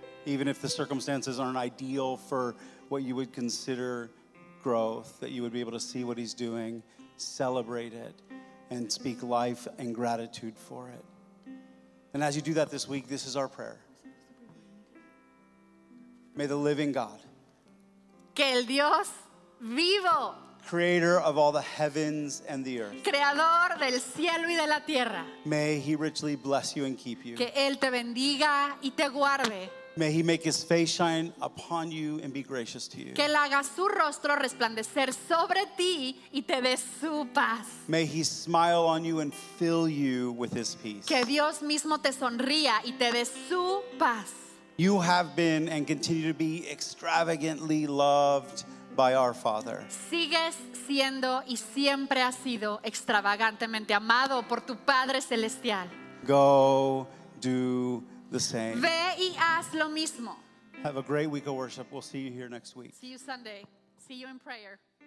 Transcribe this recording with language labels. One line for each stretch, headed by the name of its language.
English: Even if the circumstances aren't ideal for what you would consider growth, that you would be able to see what he's doing, celebrate it, and speak life and gratitude for it. And as you do that this week, this is our prayer. May the living God,
Spanish: que el Dios vivo,
English: creator of all the heavens and the earth,
Spanish: creador del cielo y de la tierra,
English: may he richly bless you and keep you,
Spanish: que él te bendiga y te guarde.
English: May he make his face shine upon you and be gracious to you.
Spanish: Que él haga su rostro resplandecer sobre ti y te dé su paz.
English: May he smile on you and fill you with his peace.
Spanish: Que Dios mismo te sonría y te dé su paz.
English: You have been and continue to be extravagantly loved by our Father.
Spanish: Sigues siendo y siempre has sido extravagantemente amado por tu Padre Celestial.
English: Go do the same.
Spanish: Ve y haz lo mismo.
English: Have a great week of worship. We'll see you here next week. See you Sunday. See you in prayer.